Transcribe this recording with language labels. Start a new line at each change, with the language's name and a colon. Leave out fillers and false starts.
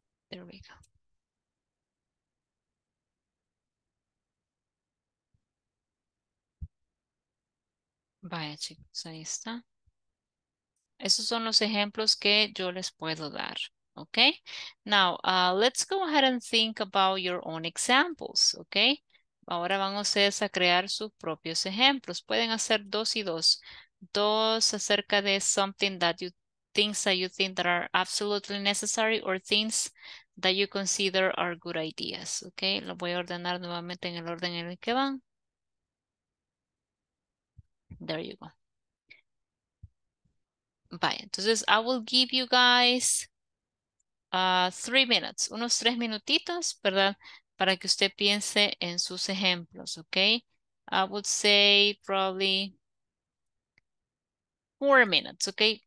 English: There we go.
Spanish: Vaya, chicos, ahí está. Esos son los ejemplos que yo les puedo dar, okay?
English: Now, let's go ahead and think about your own examples, okay?
Spanish: Ahora van ustedes a crear sus propios ejemplos. Pueden hacer dos y dos. Dos acerca de
English: something that you think that are absolutely necessary or things that you consider are good ideas, okay?
Spanish: Lo voy a ordenar nuevamente en el orden en el que van.
English: There you go. Bye. Entonces, I will give you guys 3 minutes,
Spanish: unos 3 minutitos, ¿verdad? Para que usted piense en sus ejemplos,
English: okay? I would say probably 4 minutes, okay?